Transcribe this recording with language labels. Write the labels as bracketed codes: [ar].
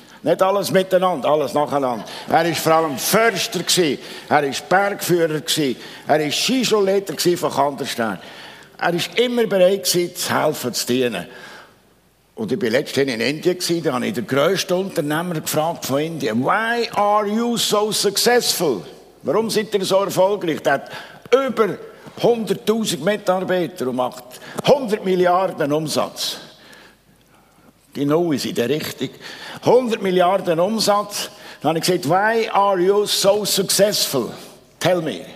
[de] Nicht alles miteinander, alles nacheinander. Er war vor allem Förster, er war Bergführer, er war Skischulleiter von Kandersteg. Er war immer bereit, zu helfen, zu dienen. Und ich war letztens in Indien, da habe ich den grössten Unternehmer gefragt von Indien. [en] Why are you so successful? [de] Warum seid ihr so erfolgreich? Er hat über 100'000 Mitarbeiter und macht 100 Milliarden Umsatz. Die Neuen sind richtig. 100 Milliarden Umsatz. Dann habe ich gesagt, [en] why are you so successful? Tell me.